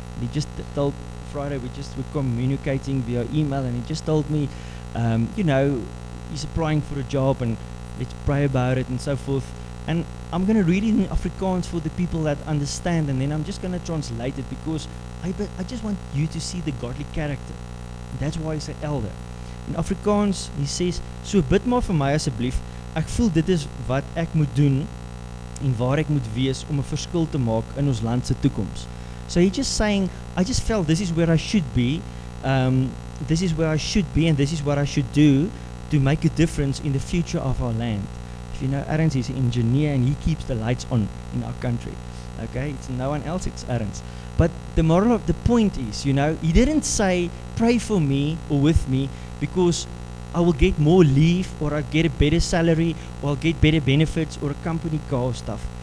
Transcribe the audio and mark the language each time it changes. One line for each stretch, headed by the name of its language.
English: He just told Friday, we're communicating via email, and he just told me, you know, he's applying for a job, and let's pray about it and so forth. And I'm going to read it in Afrikaans for the people that understand, and then I'm just going to translate it, because I just want you to see the godly character. That's why he's an elder. In Afrikaans, he says,
Afrikaans: so bid maar vir my asseblief, ek voel dit is wat ek moet doen en waar ek moet wees om 'n verskil te maak in ons land se toekoms.
English: So he's just saying, I just felt this is where I should be, this is where I should be, and this is what I should do to make a difference in the future of our land. If you know, Arends is an engineer, and he keeps the lights on in our country. Okay, it's no one else, it's Arends. But the moral of the point is, you know, he didn't say, pray for me or with me because I will get more leave, or I'll get a better salary, or I'll get better benefits, or a company car stuff.